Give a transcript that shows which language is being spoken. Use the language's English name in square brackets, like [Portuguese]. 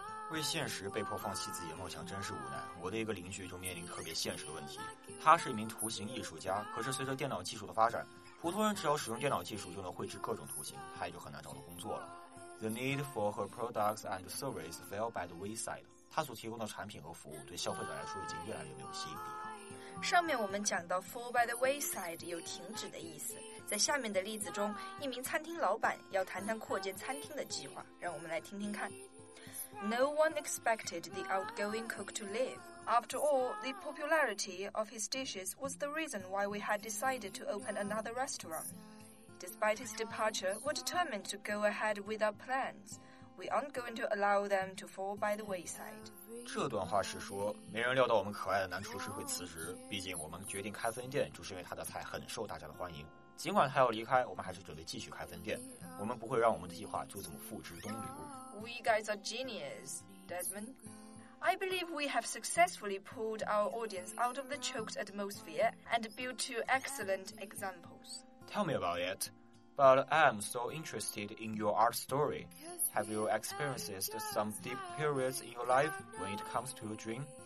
[Chinese] 为现实被迫放弃自己的梦想真是无奈。我的一个邻居就面临特别现实的问题。他是一名图形艺术家，可是随着电脑技术的发展，普通人只要使用电脑技术就能绘制各种图形，他也就很难找到工作了。 [English] The need for her products and services fell by the wayside. [Chinese] 她所提供的产品和服务对消费者来说已经越来越没有吸引力了。上面我们讲到 [English] fall by the wayside [Chinese] 有停止的意思。在下面的例子中，一名餐厅老板要谈谈扩建餐厅的计划，让我们来听听看。 [English] No one expected the outgoing cook to leave. After all, the popularity of his dishes was the reason why we had decided to open another restaurant. Despite his departure, we're determined to go ahead with our plans. We aren't going to allow them to fall by the wayside. [Chinese] 这段话是说，没人料到我们可爱的男厨师会辞职。毕竟我们决定开分店，就是因为他的菜很受大家的欢迎。尽管他要离开，我们还是准备继续开分店。我们不会让我们的计划就这么付之东流。 [English] We guys are genius, Desmond. I believe we have successfully pulled our audience out of the choked atmosphere and built two excellent examples. Tell me about it. But I'm so interested in your art story. Have you experienced some deep periods in your life when it comes to a dream?